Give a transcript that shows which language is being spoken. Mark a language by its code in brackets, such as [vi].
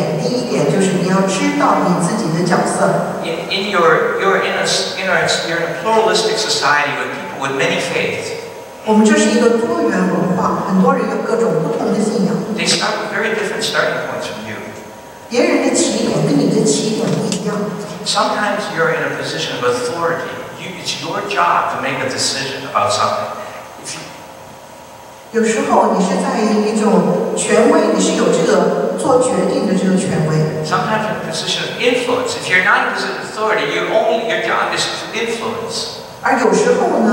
[zh] 所以我觉得，因为这个原则是想给大家一些指点。第一点就是你要知道你自己的角色。 [en] In a pluralistic society with people with many faiths. [zh] 我们这是一个多元文化，很多人有各种不同的信仰。 [en] They start with very different starting points from you. [zh] 别人的起点跟你的起点不一样。 [en] Sometimes you're in a position of authority. It's your job to make a decision about something. [zh] 有时候你是在一种权威，你是有这个做决定的这个权威。 [en] Sometimes in a position of influence. If you're not in a position of authority, your job is to influence.